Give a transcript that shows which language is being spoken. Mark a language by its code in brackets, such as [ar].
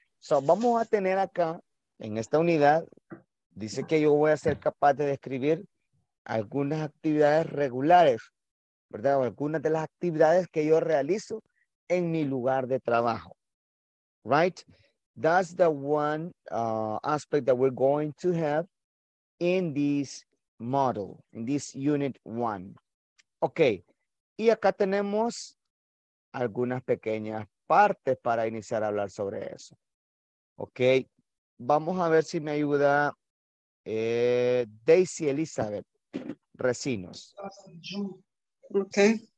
[es] So, vamos a tener acá, en esta unidad, dice que yo voy a ser capaz de describir algunas actividades regulares, ¿verdad? O algunas de las actividades que yo realizo en mi lugar de trabajo. [en] Right? That's the one aspect that we're going to have in this model, in this unit one. Okay. [es] Y acá tenemos algunas pequeñas partes para iniciar a hablar sobre eso. Okay. Vamos a ver si me ayuda Daisy Elizabeth Recinos. Okay.